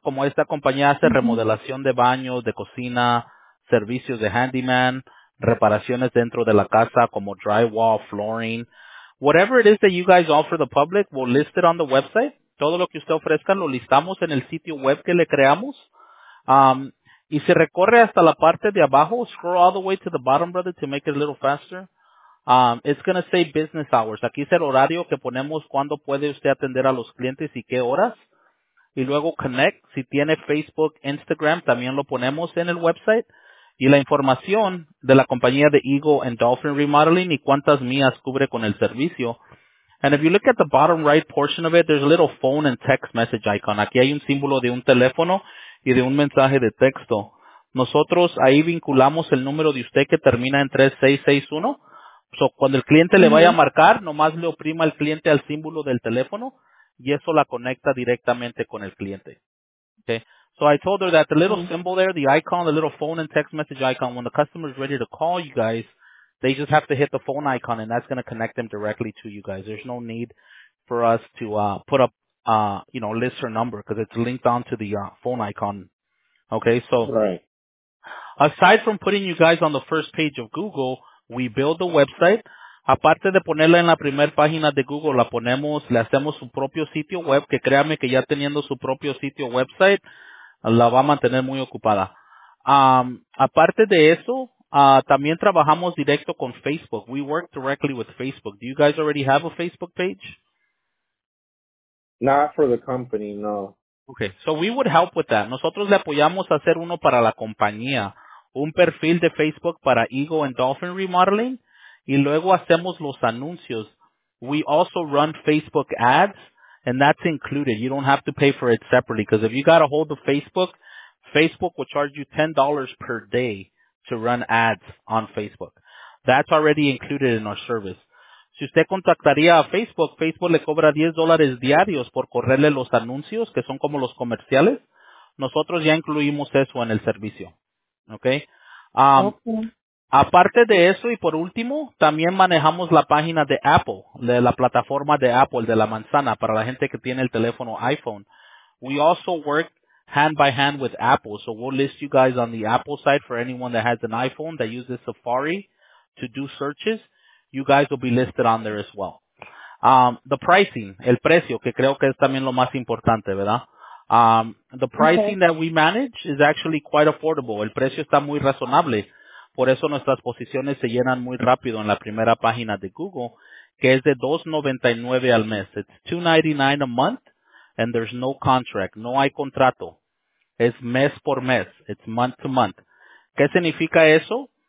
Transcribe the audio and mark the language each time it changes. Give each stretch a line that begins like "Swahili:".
Spanish: Como esta compañía hace remodelación de baños, de cocina, servicios de handyman, reparaciones dentro de la casa como drywall, flooring.
English: Whatever it is that you guys offer the public, we'll list it on the website.
Spanish: Todo lo que usted ofrezca lo listamos en el sitio web que le creamos. Y se recorre hasta la parte de abajo.
English: Scroll all the way to the bottom, brother, to make it a little faster. It's going to say business hours.
Spanish: Aquí es el horario que ponemos cuando puede usted atender a los clientes y qué horas. Y luego connect. Si tiene Facebook, Instagram, también lo ponemos en el website. Y la información de la compañía de Eagle and Dolphin Remodeling y cuántas millas cubre con el servicio.
English: And if you look at the bottom right portion of it, there's a little phone and text message icon.
Spanish: Aquí hay un símbolo de un teléfono y de un mensaje de texto. Nosotros ahí vinculamos el número de usted que termina en 3661. So, cuando el cliente le vaya a marcar, nomás le oprima el cliente al símbolo del teléfono y eso la conecta directamente con el cliente. Okay.
English: So I told her that the little symbol there, the icon, the little phone and text message icon, when the customer is ready to call you guys, they just have to hit the phone icon, and that's going to connect them directly to you guys. There's no need for us to put up, you know, list or number because it's linked onto the phone icon. Okay, so aside from putting you guys on the first page of Google, we build the website.
Spanish: Aparte de ponerla en la primera página de Google, la ponemos, le hacemos su propio sitio web, que créame que ya teniendo su propio sitio website, la va a mantener muy ocupada. Aparte de eso, también trabajamos directo con Facebook.
English: We work directly with Facebook. Do you guys already have a Facebook page? Not for the company, no. Okay, so we would help with that.
Spanish: Nosotros le apoyamos a hacer uno para la compañía, un perfil de Facebook para Eagle and Dolphin Remodeling, y luego hacemos los anuncios.
English: We also run Facebook ads, and that's included. You don't have to pay for it separately, because if you got a hold of Facebook, Facebook will charge you $10 per day to run ads on Facebook. That's already included in our service.
Spanish: Si usted contactaría a Facebook, Facebook le cobra $10 diarios por correrle los anuncios, que son como los comerciales. Nosotros ya incluimos eso en el servicio. Okay? Aparte de eso, y por último, también manejamos la página de Apple, de la plataforma de Apple, de la manzana, para la gente que tiene el teléfono iPhone.
English: We also work hand by hand with Apple, so we'll list you guys on the Apple side for anyone that has an iPhone that uses Safari to do searches. You guys will be listed on there as well. The pricing,
Spanish: el precio, que creo que es también lo más importante, ¿verdad?
English: The pricing that we manage is actually quite affordable.
Spanish: El precio está muy razonable. Por eso nuestras posiciones se llenan muy rápido en la primera página de Google, que es de $2.99 al mes.
English: It's $2.99 a month, and there's no contract.
Spanish: No hay contrato. Es mes por mes.
English: It's month to month.
Spanish: ¿Qué significa eso?